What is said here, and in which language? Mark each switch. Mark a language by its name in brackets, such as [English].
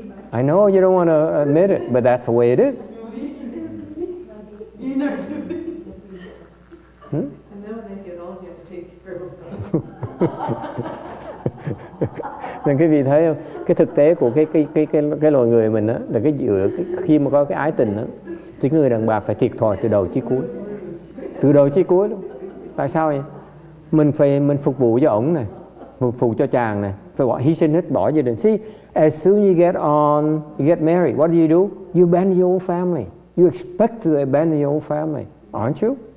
[English] I know you don't want to admit it, but that's the way it is. And then when they get old, you have to take care of them. [Vietnamese] Nên quý vị thấy không? Cái thực tế của cái loài người mình á, là cái giữa khi mà có cái ái tình á, thì người đàn bà phải thiệt thòi từ đầu chí cuối. Từ đầu chí cuối luôn. Tại sao vậy? Mình phục vụ cho ổng này, phục vụ cho chàng này, phải gọi hy sinh hết bỏ gia đình. [English] See, as soon you get on, you get married, what do? You abandon your own family. You expect to abandon your own family, aren't you?